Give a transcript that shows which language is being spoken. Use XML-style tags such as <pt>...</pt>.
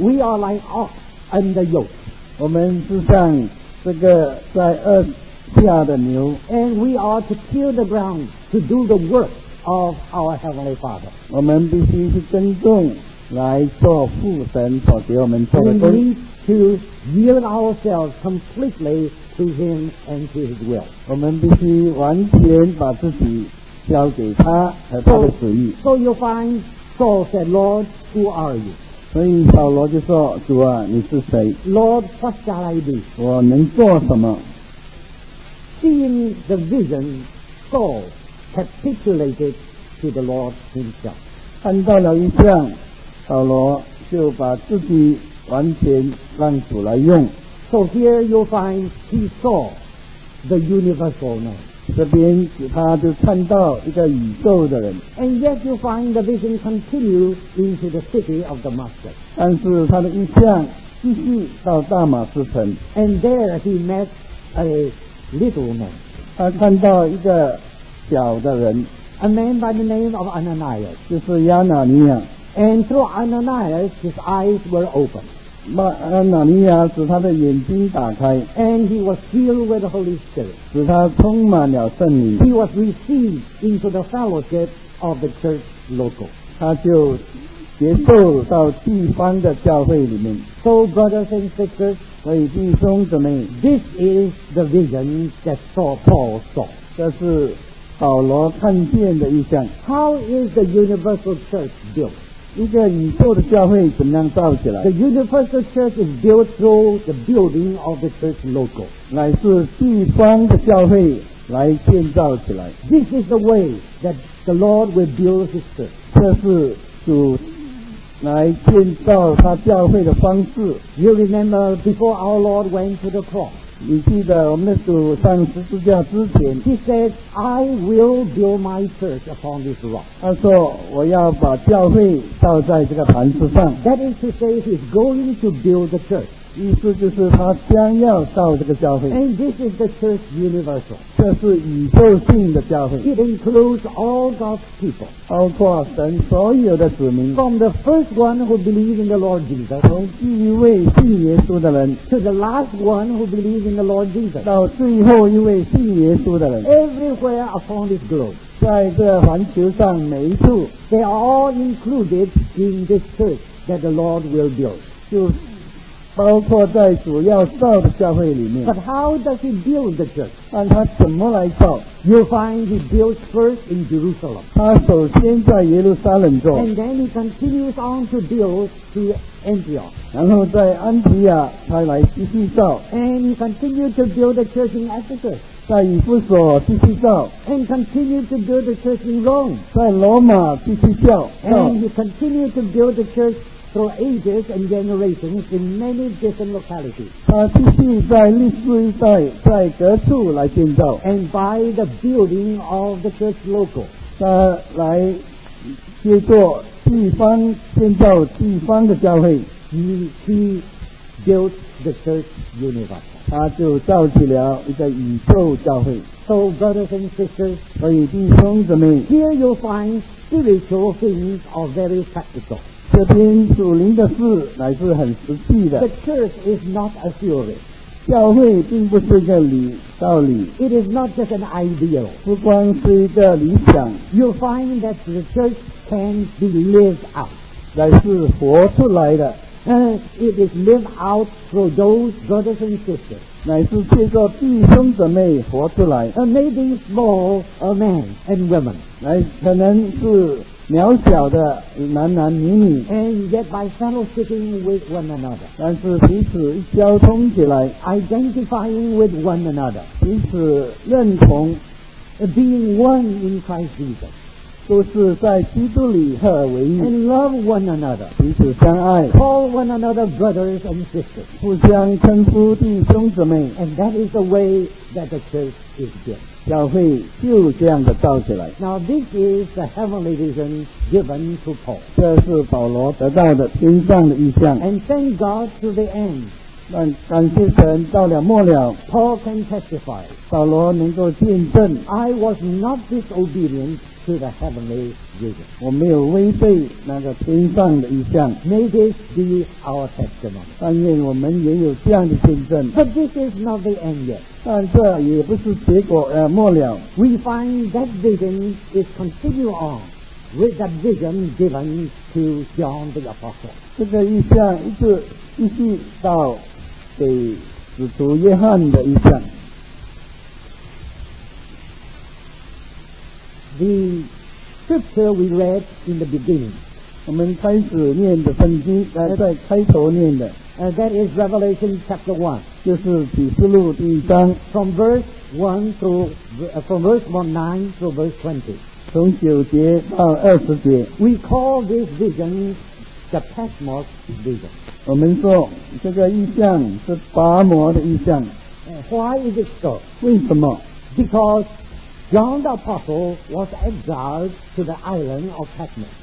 <en>We are like ox under yoke.</en> <zh>我们是像这个在二下的牛</zh> <en>and we are to till the ground to do the work of our Heavenly Father.</en> <zh>我们必须去耕种来做父神所给我们做的工</zh> <en>We need to yield ourselves completely to Him and to His will.</en> <zh>我们必须完全把自己交给他和他的旨意</zh> <en>So you find Saul said, Lord, who are you?</en> <zh>所以扫罗就说主啊你是谁</zh> <en>Lord, what shall I do?</en> <zh>我能做什么</zh> <en>Seeing the vision, Saul capitulated to the Lord himself.</en> <zh>看到了一项，扫罗就把自己完全让主来用。</zh> <en>So here you find he saw the universal man.</en> <zh>这边他就看到一个宇宙的人。</zh> <en>And yet you find the vision continue into the city of Damascus.</en> <zh>但是他的一项继续到大马士城。</zh> <en>And there he met a little man</en> <zh>他看到一个小的人</zh> <en>a man by the name of Ananias</en> <zh>就是亚拿尼亚</zh> <en>and through Ananias his eyes were open</en> <zh>亚拿尼亚使他的眼睛打开</zh> <en>and he was filled with the Holy Spirit</en> <zh>使他充满了圣灵</zh> <en>he was received into the fellowship of the church local</en> <zh>他就接受到地方的教会里面</zh> <en>so brothers and sisters This is the vision that Paul saw.</en> <zh>这是保罗看见的意象。</zh> <en>How is the universal church built?</en> <zh>一个宇宙的教会怎样造起来</zh> <en>？The universal church is built through the building of the church logo.</en> <zh>乃是地方的教会来建造起来。</zh> <en>This is the way that the Lord will build His church.</en> <zh>这是主。来建造他教会的方式</zh> <en>You remember before our Lord went to the cross</en> <zh>你记得我们的主上十字架之前</zh> <en>He said I will build my church upon this rock</en> <zh>他说我要把教会造在这个磐石上</zh> <en>That is to say he's going to build the church</en> <zh>意思就是他将要造这个教会。</zh> <en>And this is the church universal.</en> <zh>这是宇宙性的教会。</zh> <en>It includes all God's people.</en> <zh>包括神所有的子民。</zh> <en>From the first one who believes in the Lord Jesus.</en> <zh>从第一位信耶稣的人。</zh> <en>To the last one who believes in the Lord Jesus.</en> <zh>到最后一位信耶稣的人。</zh> <en>Everywhere upon this globe.</en> <zh>在这环球上每一处</zh> <en>They are all included in this church that the Lord will build</en> <zh>就包括在主要造的教会里面</zh> <en>But how does he build the church?</en> <zh>那他怎么来造</zh> <en>You'll find he builds first in Jerusalem</en> <zh>他首先在耶路撒冷做</zh> <en>And then he continues on to build to Antioch</en> <zh>然后在安提亚他来继续造</zh> <en>And he continues to build the church in Ephesus</en> <zh>在以弗所继续造</zh> <en>and continue to build the church in Rome</en> <zh>在罗马继续造</zh> <en>and he continue to build the church through ages and generations in many different localities</en> <zh>他继续在历史一代在各处来建造</zh> <en>and by the building of the church local</en> <zh>他来接做地方建造地方的教会</zh> <en>he built the church universal</en> <zh>他就造起了一个宇宙教会</zh> <en>So brothers and sisters</en> <zh>所以弟兄姊妹</zh> <en>Here you find spiritual things are very practical</en> <zh>这边属灵的事乃是很实际的</zh> <en>The church is not a theory</en> <zh>教会并不是一个理道理</zh> <en>It is not just an ideal</en> <zh>不光是一个理想</zh> <en>You find that the church can be lived out</en> <zh>乃是活出来的</zh> <en>It is lived out through those brothers and sisters.</en> <zh>乃是借着弟兄姊妹活出来。</zh> <en>Maybe small men and women.</en> <zh>乃可能是渺小的男男女女。</zh> <en>And yet by fellowshipping with one another.</en> <zh>但是彼此交通起来。</zh> <en>Identifying with one another.</en> <zh>彼此认同。</zh> <en>Being one in Christ Jesus.</en> <zh>都是在基督里合而为一</zh> <en>and love one another</en> <zh>彼此相爱</zh> <en>call one another brothers and sisters</en> <zh>互相称呼弟兄姊妹</zh> <en>and that is the way that the church is built</en> <zh>教会就这样的造起来</zh> <en>now this is the heavenly vision given to Paul</en> <zh>这是保罗得到的天上的意象</zh> <en>and thank God to the end</en> <zh>但感谢神到了末了</zh> <en>Paul can testify</en> <zh>保罗能够见证</zh> <en>I was not disobedientTo the heavenly vision.</en> <zh>我没有违背那个天上的意象。</zh> <en>May this be our testimony.</en> <zh>但愿我们也有这样的见证。</zh> <en>But this is not the end yet.</en> <zh>但这也不是结果，末了。</zh> <en>We find that vision is continued on with the vision given to John the Apostle.</en> <zh>这个意象一直继续到给使徒约翰的意象。</zh> <en>The scripture we read in the beginning.</en> <zh>我们开始念的圣经，在开头念的。</zh> <en>That is Revelation chapter 1.</en> <zh>就是启示录第一章。</zh> <en>From verse 1 through, from verse 9 through verse 20.</en> <zh>从九节到二十节。</zh> <en>We call this vision the Patmos vision.</en> <zh>我们说这个意象是拔摩的意象。</zh> <en>Why is it so?</en> <zh>为什么？</zh> <en>Because John the Apostle was exiled to the island of Patmos.</en>